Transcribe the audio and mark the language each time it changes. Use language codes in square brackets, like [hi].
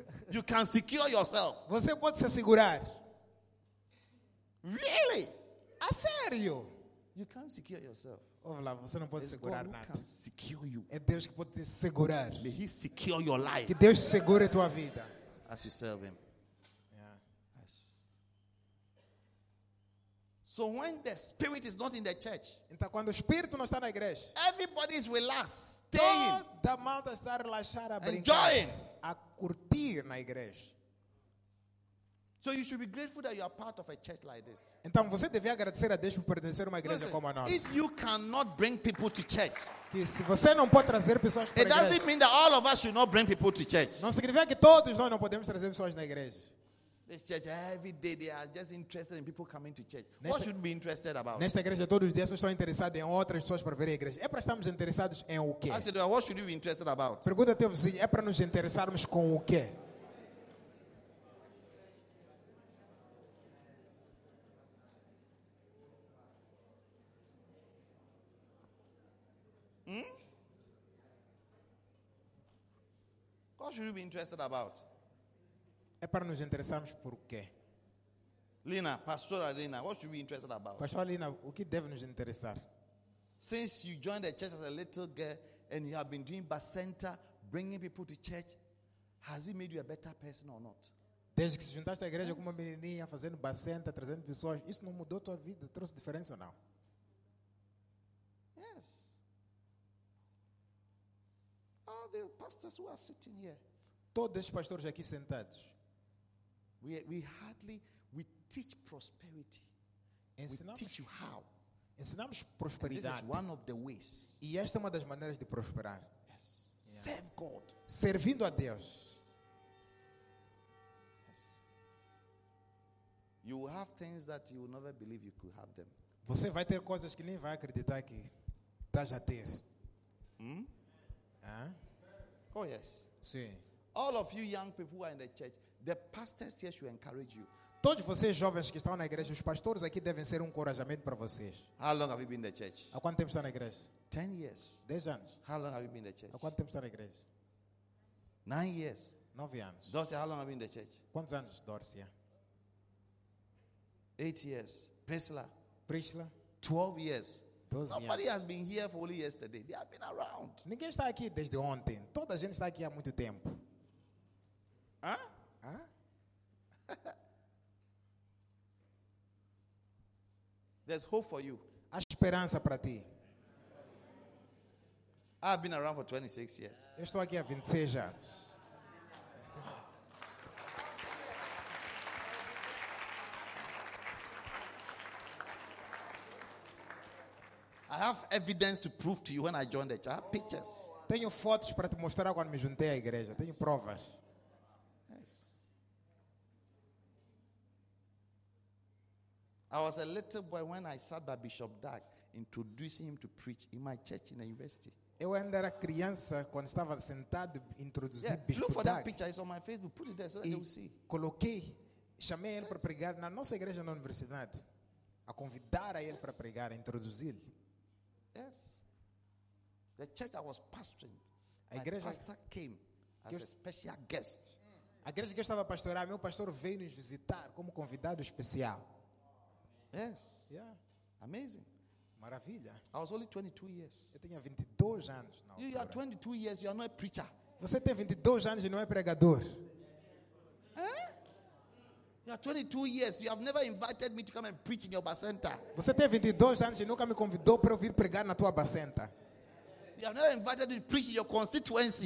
[en] You can secure yourself. [pt] Você pode se assegurar. [en] Really? [pt] A sério? [en] You can't secure yourself. [pt] Ouve lá, você não pode [en] it's [pt] segurar [en] God [pt] nada. [en] Who can secure you. [pt] É Deus que pode te segurar. [en] May he secure your life. [pt] Que Deus segure tua vida. [en] As you serve him. So when the spirit is not in the church, [pt] então quando o espírito não está na igreja, [en] everybody is relaxed, staying, [pt] toda a malta está relaxada, a brincar, [en] enjoying, [pt] a curtir na igreja. [en] So you should be grateful that you are part of a church like this. [pt] Então você deve agradecer a Deus por pertencer a uma igreja [en] listen, [pt] como a nossa. [en] If you cannot bring people to church, [pt] que se você não pode trazer pessoas para a igreja, [en] it doesn't mean that all of us should not bring people to church. [pt] Não significa que todos nós não podemos trazer pessoas na igreja. [en] This church, every day they are just interested in people coming to church. What should we be interested about? [pt] Nesta igreja todos os dias estão interessados em outras pessoas para ver a igreja. É para estarmos interessados em o quê? [en] Said, what should we be interested about? [pt] Pergunta ao teu vizinho, é para nos interessarmos com o quê? [en] What should we be interested about? [pt] É para nos interessarmos por quê? [en] Lina, Pastora Lina, what should we be interested about? [pt] Pastora Lina, o que deve nos interessar? [en] Since you joined the church as a little girl and you have been doing Bacenta, bringing people to church, has it made you a better person or not? [pt] Desde que se juntaste à igreja com uma menininha fazendo Bacenta, trazendo pessoas, isso não mudou tua vida, trouxe diferença ou não? [en] Yes. All the pastors who are sitting here. [pt] Todos os pastores aqui sentados. [en] We teach prosperity. [pt] Ensinamos, [en] we teach you how. [pt] Ensinamos prosperidade. [en] And this is one of the ways. [pt] E esta é uma das maneiras de prosperar. [en] Yes. Yeah. Serve God. [pt] Servindo a Deus. [en] Yes. You will have things that you will never believe you could have them. [pt] Você vai ter coisas que nem vai acreditar que estás a ter. [en] Oh yes. [pt] Sim. [en] All of you young people who are in the church, the pastors here should encourage you. [pt] Todos vocês jovens que estão na igreja, os pastores aqui devem ser um encorajamento para vocês. [en] How long have you been in the church? [pt] Há quanto tempo está na igreja? [en] 10 years. [pt] 10 anos. [en] How long have you been in the church? [pt] Há quanto tempo está na igreja? [en] 9 years. [pt] 9 anos. [en] Dorcia, how long have you been in the church? [pt] Quantos anos, Dorcia? [en] 8 years. Priscilla. [pt] Priscilla. [en] 12 years. [pt] 12 anos. [en] Nobody has been here for only yesterday. They have been around. [pt] Ninguém está aqui desde ontem. Toda a gente está aqui há muito tempo. Hã? Hã? [en] There's hope for you. [pt] Há esperança para ti. [en] I've been around for 26 years. [pt] Eu estou aqui há 26 anos. [en] I have evidence to prove to you when I joined the church. I have pictures. [pt] Tenho fotos para te mostrar quando me juntei à igreja. Tenho provas. [en] I was a little boy when I sat by Bishop Dark introducing him to preach in my church in the university. [pt] Eu ainda era criança quando estava sentado introduzir [en] Bishop Dark. Look for that picture. It's on my Facebook. Put it there so that you see. [pt] Coloquei, chamei ele para pregar na nossa igreja na universidade, a convidar a ele para pregar, a introduzir. [en] Yes. The church I was pastoring, [pt] a igreja, [en] my pastor came as a special guest. [pt] A igreja que eu estava a pastorar, meu pastor veio nos visitar como convidado especial. [en] Yes. Yeah. Amazing. [pt] Maravilha. [en] I was only 22 years. [pt] Eu tinha 22 anos na altura. [en] You are 22 years, you are not a preacher. [pt] Você tem 22 anos e não é pregador. [en] You are 22 years, you have never invited me to come and preach in your Bacenta. [pt] Você tem 22 anos e nunca me convidou para eu vir pregar na tua Bacenta. [en] You have never invited me to preach in your constituency.